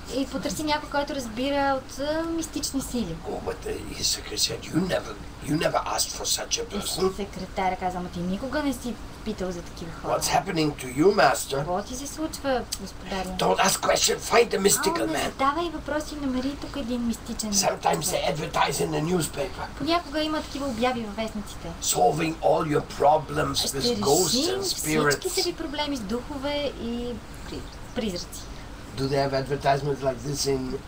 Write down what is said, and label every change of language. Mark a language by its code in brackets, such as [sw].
[bg] И потърси някой, който разбира от мистични сили. [en] Oh, but his secretary said, you never asked for such a person. [bg] Секретаря каза, ти никога не си питал за такива хора. [en] What's happening to you, master? [bg] Какво ти се случва, господаря? [en] Don't ask questions, find the mystical man. [bg] Задавай въпроси, намери тук един мистичен. [en] Sometimes they advertise in the newspaper. [bg] Понякога има такива обяви във вестниците. [en] Solving all your problems with ghosts and spirits. [bg] Всички са ви проблеми с духове и призраци. [en] Do they have advertisements like this in